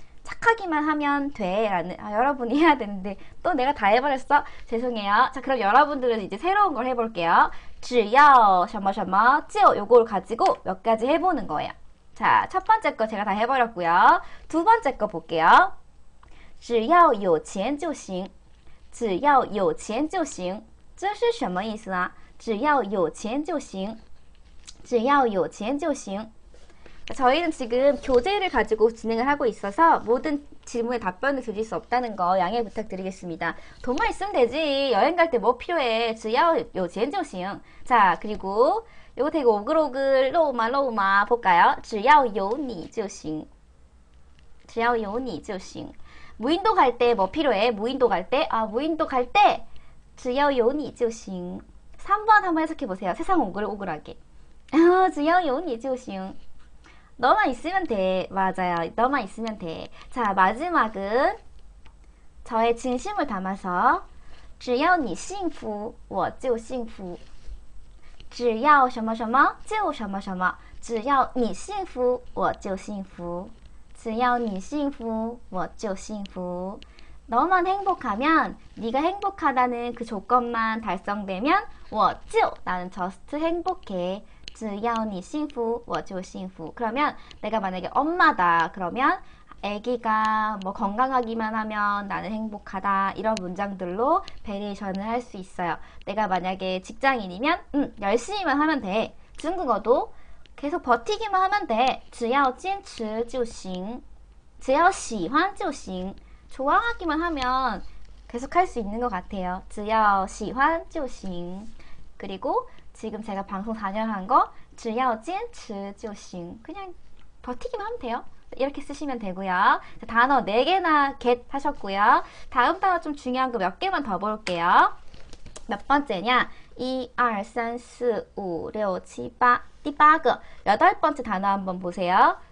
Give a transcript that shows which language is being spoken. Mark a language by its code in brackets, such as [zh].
[ko] 착하기만 하면 돼라는 여러분이 해야 되는데 또 내가 다 해버렸어? 죄송해요. 자, 그럼 여러분들은 이제 새로운 걸 해볼게요. [zh] 只要 什么什么 就 [ko] 요걸 가지고 몇 가지 해보는 거예요. 자, 첫 번째 거 제가 다 해버렸고요. 두 번째 거 볼게요. [zh] 只要有钱就行 只要有钱就行 这是什么意思啊? 只要有钱就行 只要有钱就行 [ko] 저희는 지금 교재를 가지고 진행을 하고 있어서 모든 질문에 답변을 드릴 수 없다는 거 양해 부탁드리겠습니다. 돈만 있으면 되지. 여행 갈때뭐 필요해. [zh] 只要 有钱就行. [ko] 자, 그리고 요거 되게 오글오글 로우마 로우마 볼까요? [zh] 只要有你就行.只要有你就行. [ko] 무인도 갈때뭐 필요해? 무인도 갈 때? 아, 무인도 갈 때? [zh] 只要有你就行. [ko] 3번 한번 해석해 보세요. 세상 오글오글하게. [zh] 只要有你就行. [ko] 너만 있으면 돼. 맞아요. 너만 있으면 돼. 자, 마지막은 저의 진심을 담아서 [zh] 只要你幸福,我就幸福. 只要什么什么,就什么什么. 只要你幸福,我就幸福.只要你幸福,我就幸福. [ko] 너만 행복하면 네가 행복하다는 그 조건만 달성되면 [zh] 我就 [ko] 나는 just 행복해. [zh] 只要你幸福,我就幸福. [ko] 그러면 내가 만약에 엄마다. 그러면 아기가 뭐 건강하기만 하면 나는 행복하다. 이런 문장들로 베리에이션을 할수 있어요. 내가 만약에 직장인이면 열심히만 하면 돼. 중국어도 계속 버티기만 하면 돼. [zh] 只要坚持就行，只要喜欢就行。 [ko] 좋아하기만 하면 계속 할수 있는 것 같아요. [zh] 只要喜欢就行. [ko] 그리고 지금 제가 방송 4년 한 거, [zh] 只要坚持就行. [ko] 그냥 버티기만 하면 돼요. 이렇게 쓰시면 되고요. 단어 4개나 get 하셨고요. 다음 단어 좀 중요한 거몇 개만 더 볼게요. 몇 번째냐? 1, 2, 3, 4, 5, 6, 7, 8. [zh] 第八个， [ko] 여덟번째단어한번보세요。